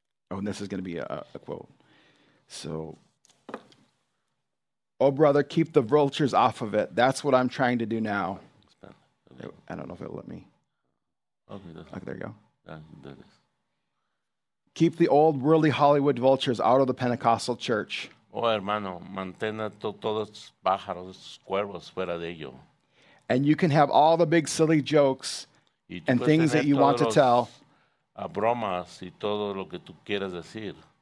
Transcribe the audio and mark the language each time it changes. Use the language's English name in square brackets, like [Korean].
[English] Oh, and this is going to be a quote. So, oh brother, keep the vultures off of it. That's what I'm trying to do now. I don't know if it'll let me. Okay, there you go. Keep the old worldly Hollywood vultures out of the Pentecostal church. [Spanish] Oh hermano, mantén todos los pájaros, cuervos fuera de ello. [English] And you can have all the big silly jokes and things that you want to tell. [Spanish] Bromas y todo lo que tú quieras decir.